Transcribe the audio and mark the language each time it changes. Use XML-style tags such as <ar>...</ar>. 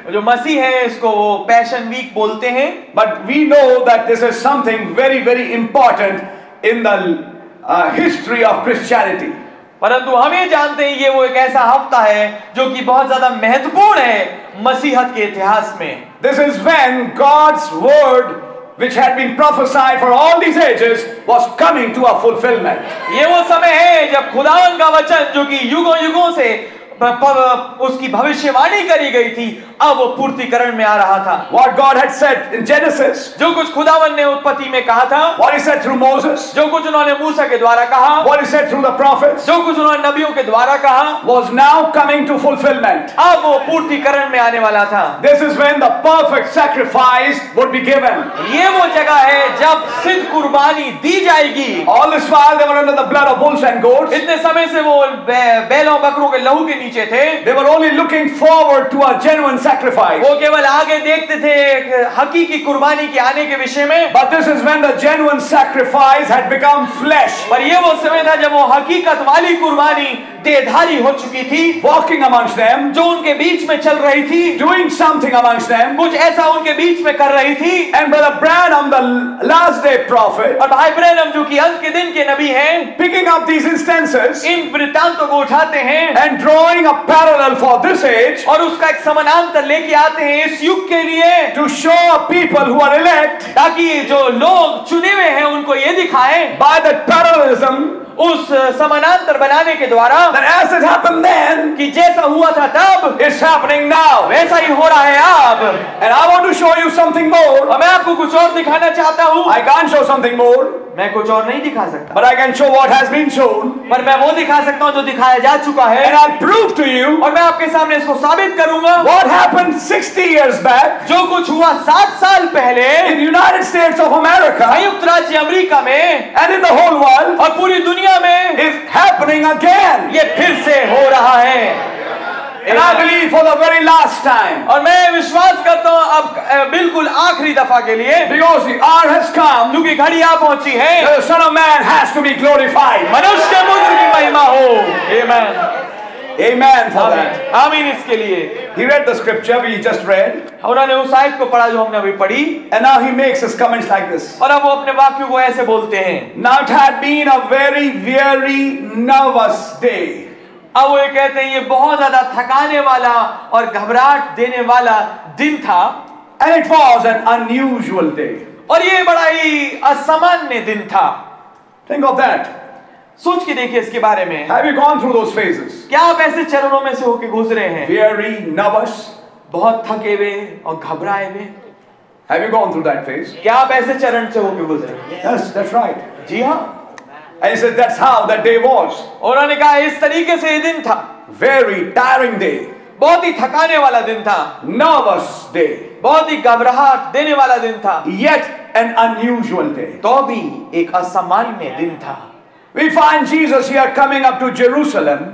<hi>जो मसीह है इसको वो पैशन वीक बोलते हैं.</hi> <en>But we know that this is something very, very important in the history of Christianity.</en> <hi>परंतु हम ये जानते हैं ये वो एक ऐसा हफ्ता है जो कि बहुत ज्यादा महत्वपूर्ण है मसीहत के इतिहास में.</hi> <en>This is when God's word, which had been prophesied for all these ages, was coming to a fulfillment.</en> <hi>ये वो समय है जब खुदावन का वचन जो कि युगों युगों से उसकी भविष्यवाणी करी गई थी अब वो पूर्तिकरण में आ रहा था.</hi> <en>What God had said in Genesis,</en> <hi>जो कुछ खुदावन ने उत्पत्ति में कहा था.</hi> <en>What he said through Moses,</en> <hi>जो कुछ उन्होंने मूसा के द्वारा कहा.</hi> <en>What he said through the prophets,</en> <hi>जो कुछ उन्होंने नबियों के द्वारा कहा.</hi> <en>Was now coming to fulfillment,</en> <hi>अब वो पूर्तिकरण में आने वाला था.</hi> <en>This is when the perfect sacrifice would be given,</en> <hi>ये वो जगह है जब सिद्ध कुर्बानी दी जाएगी.</hi> <en>All this while they were under the blood of bulls and goats,</en> <hi>इतने समय से वो बैलों बकरों के लहू के नीचे थे.</hi> <en>They were only looking forward to a genuine sacrifice.</en> <hi>वो केवल आगे देखते थे एक हकीकी कुर्बानी के आने के विषय में.</hi> <en>But this is when the genuine sacrifice had become flesh.</en> <hi>पर ये वो समय था जब वो हकीकत वाली कुर्बानी देहधारी हो चुकी थी.</hi> <en>Walking amongst them,</en> <hi>जो उनके बीच में चल रही थी.</hi> <en>Doing something amongst them,</en> <hi>कुछ ऐसा उनके बीच में कर रही थी.</hi> <en>And Brother Branham, the last day prophet,</en> <hi>और भाई ब्रैनम जो कि अंत के दिन के नबी हैं,</hi> <en>picking up these instances,</en> <hi>इन वृत्तांतों को उठाते हैं,</hi> <en>and drawing a parallel for this age,</en> <hi>और उसका एक समानांतर लेके आते हैं इस युग के लिए.</hi> <en>To show people who are elect,</en> <hi>ताकि जो लोग चुने हुए हैं उनको ये दिखाएं.</hi> <en>By that parallelism,</en> <hi>उस समानांतर बनाने के द्वारा,</hi> <en>that as it happened then,</en> <hi>कि जैसा हुआ था तब,</hi> <en>it's happening now,</en> <hi>वैसा ही हो रहा है अब.</hi> <en>And I want to show you something more,</en> <hi>और मैं आपको कुछ और दिखाना चाहता हूँ.</hi> <en>I can't show something more,</en> <hi>मैं कुछ और नहीं दिखा सकता.</hi> <en>But I can show what has been shown,</en> <hi>पर मैं वो दिखा सकता हूँ जो दिखाया जा चुका है.</hi> <en>And I'll prove to you,</en> <hi>और मैं आपके सामने इसको साबित करूंगा.</hi> <en>What happened 60 years back,</en> <hi>जो कुछ हुआ 7 साल पहले,</hi> <en>in United States of America,</en> <hi>संयुक्त राज्य अमेरिका में,</hi> <en>and in the whole world,</en> <hi>और पूरी दुनिया में,</hi> <en>is happening again,</en> <hi>ये फिर से हो रहा है.</hi> <en>And I believe for the very last time.</en> <hi>और मैं विश्वास करता हूँ अब बिल्कुल आखिरी दफा के लिए.</hi> <en>Because the hour has come,</en> <hi>क्योंकि घड़ी आ पहुंची है.</hi> <en>The Son of Man has to be glorified,</en> <hi>मनुष्य के पुत्र की महिमा हो.</hi> <en>Amen. Amen for that.</en> <hi>आमीन इसके लिए.</hi> <en>He read the scripture we just read.</en> <hi>उन्होंने उस आयत को पढ़ा जो हमने अभी पढ़ी.</hi> <en>And now he makes his comments like this.</en> <hi>और अब वो अपने वाक्यों को ऐसे बोलते हैं.</hi> <en>Now it had been a very weary, nervous day.</en> <hi>अब वो ये कहते हैं ये बहुत ज्यादा थकाने वाला और घबराहट देने वाला दिन था.</hi> <en>And it was an unusual day.</en> <hi>और ये बड़ा ही असामान्य दिन था.</hi> <en>Think of that.</en> <hi>सोच के देखिए इसके बारे में.</hi> <en>Have you gone through those phases?</en> <hi>क्या आप ऐसे चरणों में से होके गुजरे हैं?</hi> <en>Weary, nervous,</en> <hi>बहुत थके हुए और घबराए हुए.</hi> <en>Have you gone through that phase?</en> <hi>क्या आप ऐसे चरण से होके गुजरे?</hi> <en>Yes, that's right.</en> <hi>जी हाँ.</hi> <en>And he said, that's how that day was.</en> <hi>और उन्होंने कहा इस तरीके से ये दिन था.</hi> <en>Very tiring day.</en> <hi>बहुत ही थकाने वाला दिन था.</hi> <en>Nervous day.</en> <hi>बहुत ही घबराहट देने वाला दिन था.</hi> <en>Yet an unusual day.</en> <hi>तो भी एक असामान्य दिन था.</hi> <en>We find Jesus here coming up to Jerusalem.</en>